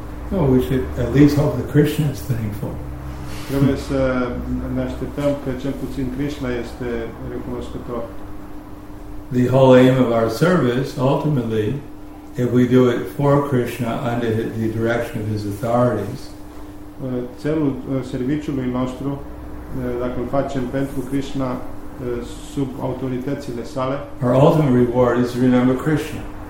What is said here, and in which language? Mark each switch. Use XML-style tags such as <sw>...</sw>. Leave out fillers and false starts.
<en>No, we should at least hope that Krishna is thankful.</en> <ro>Trebuie să ne așteptăm că cel puțin Krishna este recunoscător.</ro> <en>The whole aim of our service, ultimately, if we do it for Krishna under the direction of his authorities,</en> <ro>Celul serviciului nostru, dacă îl facem pentru Krishna sub autoritățile sale,</ro> <en>our ultimate reward is to remember Krishna.</en>